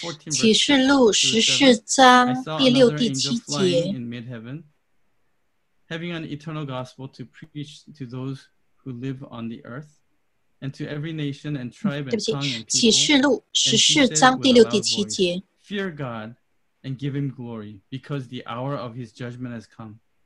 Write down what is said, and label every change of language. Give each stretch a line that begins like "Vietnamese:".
Chinese: 启示录十四章第六第七节，
English: having an eternal gospel to preach to those who live on the earth and to every nation and tribe and tongue and people.
Chinese: 启示录十四章第六第七节
English: ，Fear God and give Him glory, because the hour of His judgment has come.